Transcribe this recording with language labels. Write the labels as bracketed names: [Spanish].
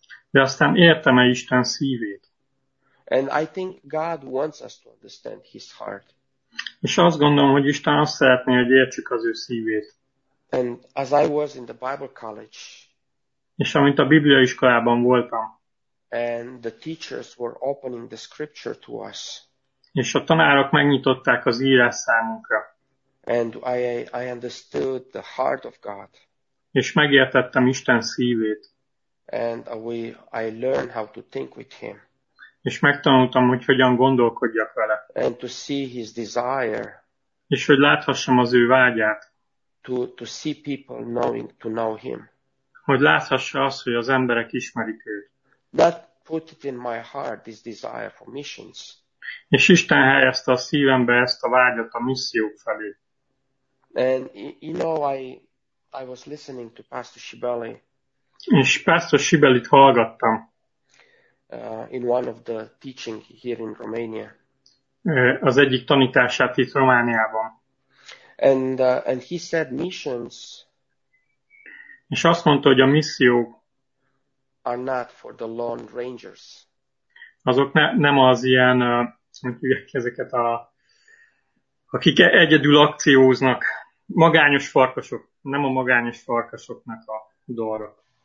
[Hungarian] De aztán értem-e Isten szívét? [English] And I think God wants us to understand his heart. [Hungarian] És azt gondolom, hogy Isten azt szeretné, hogy értsük az ő szívét. [English] And as I was in the Bible college. [Hungarian] És amint a Biblia iskolában voltam. [English] And the teachers were opening the scripture to us. [Hungarian] És a tanárok megnyitották az írás számunkra. [English] And I understood the heart of God. [Hungarian] És megértettem Isten szívét. [English] And I learned how to think with him. [Hungarian] És megtanultam, hogy hogyan gondolkodjak vele. [English] And to see his desire. [Hungarian] És hogy láthassam az ő vágyát. [English] To see people knowing to know him. [Hungarian] Hogy láthassa azt, hogy az emberek ismerik őt. [English] That put it in my heart, this desire for missions. [Hungarian] És Isten helyezte a szívembe ezt a vágyat a missziók felé. [English] And you know, I was listening to Pastor Shibeli. [Hungarian] És Pastor Shibelit hallgattam. [English] In one of the teaching here in Romania. [Hungarian] Az egyik tanítását itt Romániában. [English] And he said missions. [Hungarian] És azt mondta, hogy a missziók [English] are not for the lone rangers. [Hungarian] Azok nem az ilyen, mondjuk ezeket a, akik egyedül akcióznak, magányos farkasok, nem a magányos farkasoknak a dolga.